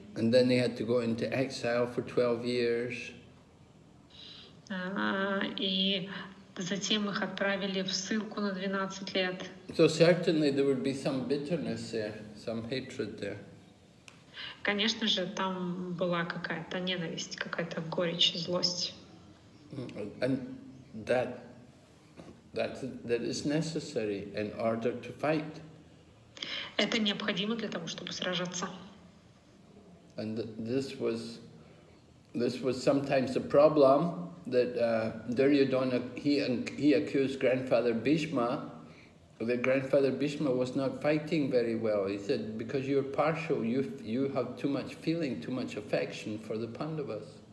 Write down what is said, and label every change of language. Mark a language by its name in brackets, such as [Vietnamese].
[English] And then they had to go into exile for 12 years. [Russian] И затем их отправили в ссылку на 12 лет. [English] So certainly there would be some bitterness there, some hatred there. [Russian] Конечно же, там была какая-то ненависть, какая-то горечь, злость. [English] And that is necessary in order to fight. [Russian] Это необходимо для того, чтобы сражаться. [English] And this was sometimes a problem that Duryodhana he accused grandfather Bhishma. The grandfather Bhishma was not fighting very well. He said, because you're partial, you have too much feeling, too much affection for the Pandavas.